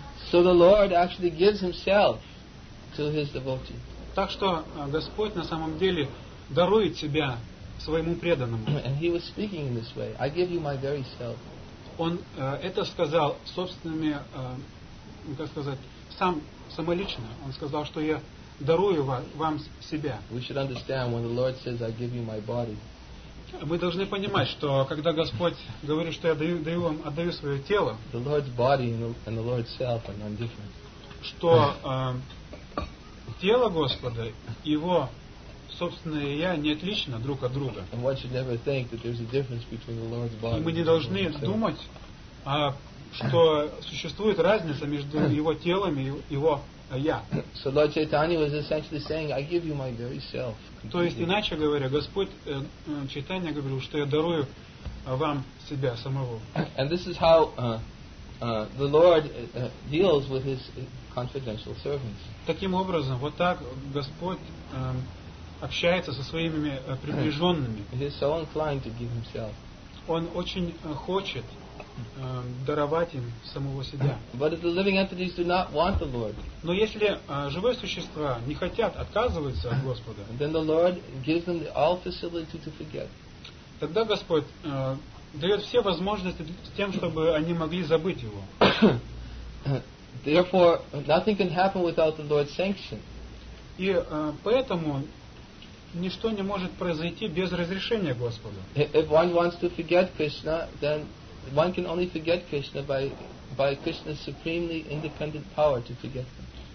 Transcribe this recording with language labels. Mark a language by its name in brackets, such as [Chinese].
[English] So the Lord actually gives himself to his devotees. [Russian] Так что Господь на самом деле дарует себя своему преданному. [English] And he was speaking in this way, I give you my very self. [Russian] Он это сказал собственными, как сказать, самолично. Он сказал, что я дарую вам себя. [English] We should understand when the Lord says, I give you my body. [Russian] Мы должны понимать, что когда Господь говорит, что я даю вам, отдаю свое тело, [English] the Lord's body and the Lord's self are not different. [Russian] Что тело Господа, его собственное «я» не отлично друг от друга. [English] And one should never think that there's a difference between the Lord's body. [Russian] И мы не должны думать, а что существует разница между его телом и его я. [English] So Lord Chaitanya was essentially saying, I give you my very self. [Russian] То есть, иначе говоря, Господь Чайтанья говорил, что я дарую вам себя самого. [English] And this is how the Lord deals with his confidential servants. [Russian] Таким образом, вот так Господь общается со своими приближенными. [English] He is so inclined to give himself. [Russian] Он очень хочет даровать им самого себя. [English] But if the living entities do not want the Lord, [Russian] но если живые существа не хотят, отказываются от Господа, [English] then the Lord gives them all facility to forget. [Russian] Тогда Господь дает все возможности с тем, чтобы они могли забыть его. [English] Therefore, nothing can happen without the Lord's sanction. [Russian] И поэтому ничто не может произойти без разрешения Господа. [English] If one wants to forget Krishna, then one can only forget Krishna by Krishna's supremely independent power to forget him.